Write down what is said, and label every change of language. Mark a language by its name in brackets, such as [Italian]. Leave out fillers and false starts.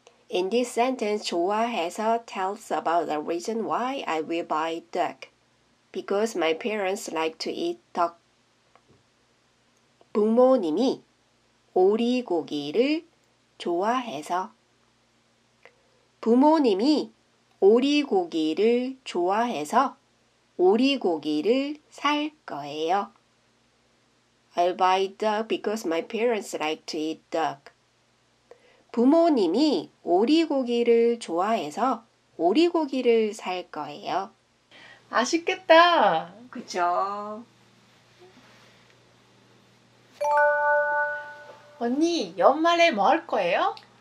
[English] In this sentence, 좋아해서 tells about the reason why I will buy duck. Because my parents like to eat duck. [Korean] 부모님이 오리고기를 좋아해서 부모님이 오리고기를 좋아해서 오리고기를 살 거예요. [English] I'll buy duck because my parents like to eat duck. [Korean] 부모님이 오리고기를 좋아해서 오리고기를 살 거예요. 맛있겠다. 그쵸. 언니, 연말에 뭐 할 거예요?